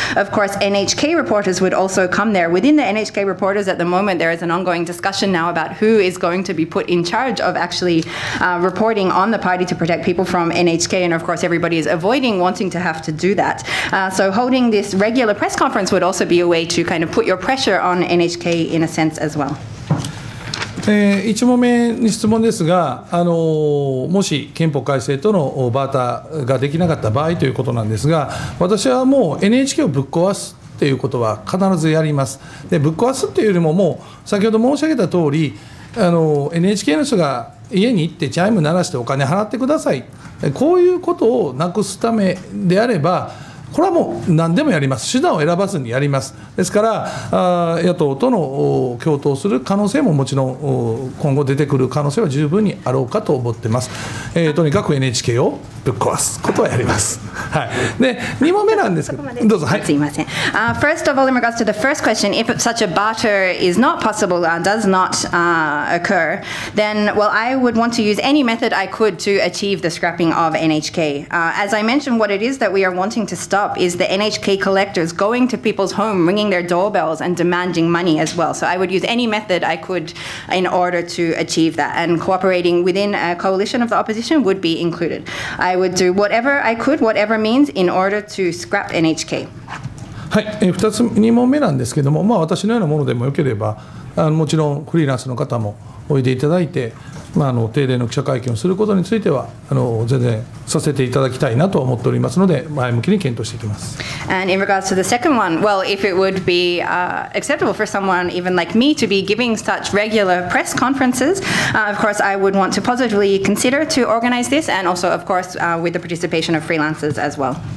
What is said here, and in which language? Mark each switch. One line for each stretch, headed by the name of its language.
English: Of course, NHK reporters would also come there. Within the NHK reporters at the moment, there is an ongoing discussion now about who is going to be put in charge of actually reporting on the party to protect people from NHK. And of course, everybody is avoiding wanting to have to do that. So holding this regular press conference would also be a way to kind of put your pressure on NHK in a sense as well.
Japanese: 1問目に質問ですが、もし憲法改正とのバーターができなかった場合ということなんですが、私はもう NHK をぶっ壊すということは必ずやります。でぶっ壊すというよりも、もう先ほど申し上げた通り、NHK の人が家に行ってチャイム鳴らしてお金払ってください、こういうことをなくすためであれば、これはもう何でもやります。手段を選ばずにやります。ですから野党との共闘する可能性ももちろん今後出てくる可能性は十分にあろうかと思ってます。とにかく NHK をぶっ壊すことはやります。はい、で2問目なんですけど、どうぞ。はい、すいません。
English: First of all, in regards to the first question, if such a barter is not possible, does not occur, then, well, I would want to use any method I could to achieve the scrapping of NHK. As I mentioned, what it is that we are wanting to stop is the NHK collectors going to people's home, ringing their doorbells and demanding money as well. So I would use any method I could in order to achieve that, and cooperating within a coalition of the opposition would be included. I would do whatever I could, whatever means, in order to scrap NHK.
Japanese: はい、2問目なんですけども、まあ、私のようなものでもよければ、もちろんフリーランスの方もおいでいただいて、まあ、定例の記者会見をすることについては全然させていただきたいなと思っておりますので、前向きに検討していきます。
English: And in regards to the second one, well, if it would be acceptable for someone even like me to be giving such regular press conferences, of course I would want to positively consider to organize this, and also of course with the participation of freelancers as well.